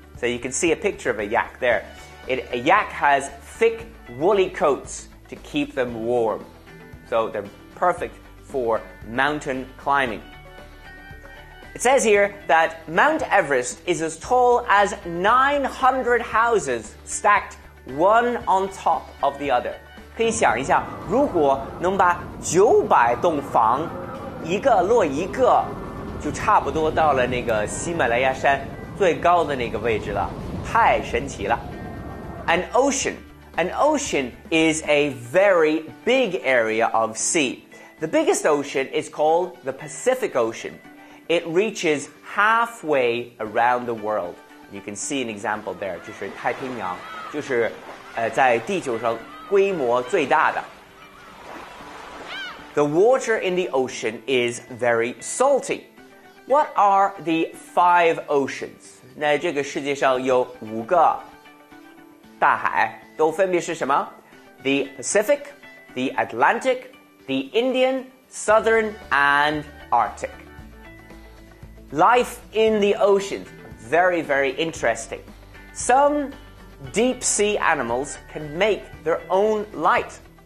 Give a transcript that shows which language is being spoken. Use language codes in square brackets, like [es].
[en] So you can see a picture of a yak there. A yak has thick, woolly coats to keep them warm. So they're perfect for mountain climbing. It says here that Mount Everest is as tall as 900 houses stacked one on top of the other. [zh] 可以想一下，如果能把900栋房一个摞一个，就差不多到了那个喜马拉雅山最高的那个位置了，太神奇了。 [en] An ocean is a very big area of sea. The biggest ocean is called the Pacific Ocean. It reaches halfway around the world. [zh] You can see an example there, 就是太平洋，就是在地球上规模最大的。 [en] The water in the ocean is very salty. What are the five oceans? [zh] 那这个世界上有五个大海，都分别是什么？ [en] The Pacific, the Atlantic, the Indian, Southern, and Arctic. Life in the ocean, very, very interesting. Some deep sea animals can make their own light.